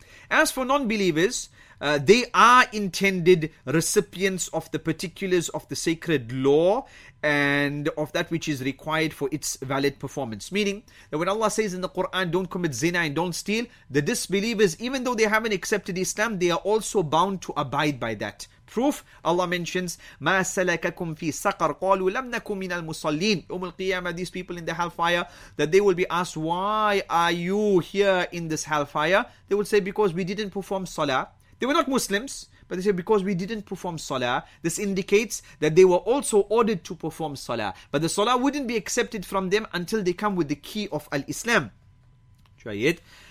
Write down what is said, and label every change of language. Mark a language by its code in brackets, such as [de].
[en] As for non-believers, they are intended recipients of the particulars of the sacred law and of that which is required for its valid performance. Meaning that when Allah says in the Quran, don't commit zina and don't steal, the disbelievers, even though they haven't accepted Islam, they are also bound to abide by that. Proof, Allah mentions, [ar] مَا سَلَكَكُمْ فِي سَقَرْ قَالُوا لَمْ نَكُمْ مِنَ الْمُصَلِّينَ يَوْمَ الْقِيَامَةِ. [en] These people in the hellfire, that they will be asked, why are you here in this hellfire? They will say, because we didn't perform salah. They were not Muslims, but they say, because we didn't perform salah. This indicates that they were also ordered to perform salah. But the salah wouldn't be accepted from them until they come with the key of al-Islam. Try it.